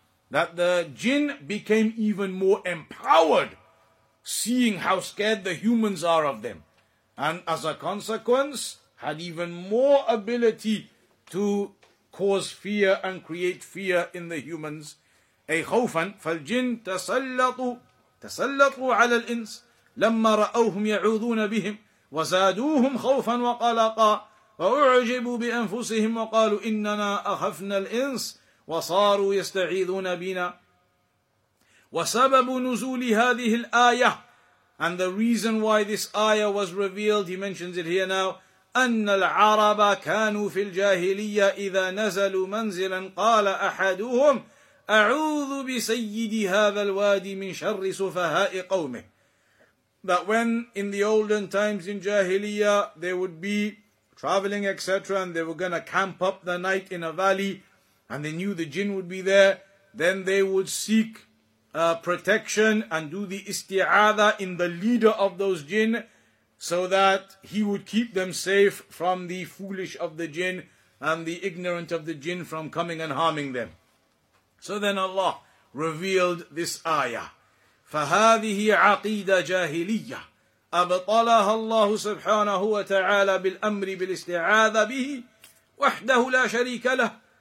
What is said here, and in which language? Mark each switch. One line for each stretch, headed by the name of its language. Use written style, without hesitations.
English: That the jinn became even more empowered, seeing how scared the humans are of them. And as a consequence, had even more ability to cause fear and create fear in the humans.
Arabic: أي خوفاً فالجن تسلطوا على الإنس لما رأوهم يعوذون بهم وزادوهم خوفا وقلقا وأعجبوا بأنفسهم وقالوا إننا أخفنا الإنس وصاروا يستعيذون بنا. وسبب نزول هذه الآية,
English: and the reason why this ayah was revealed, he mentions it here now,
Arabic: أن العرب كانوا في الجاهلية إذا نزلوا منزلا قال أحدهم أعوذ بسيد هذا الوادي من شر سفهاء قومه.
English: That when in the olden times in Jahiliyyah, they would be traveling, etc., and they were going to camp up the night in a valley, and they knew the jinn would be there, then they would seek protection and do the isti'adha in the leader of those jinn, so that he would keep them safe from the foolish of the jinn and the ignorant of the jinn from coming and harming them. So then Allah revealed this ayah.
Arabic: فهذه عقيدة جاهلية أبطلها الله سبحانه وتعالى بالأمر بالاستعاذة به وحده لا شريك له.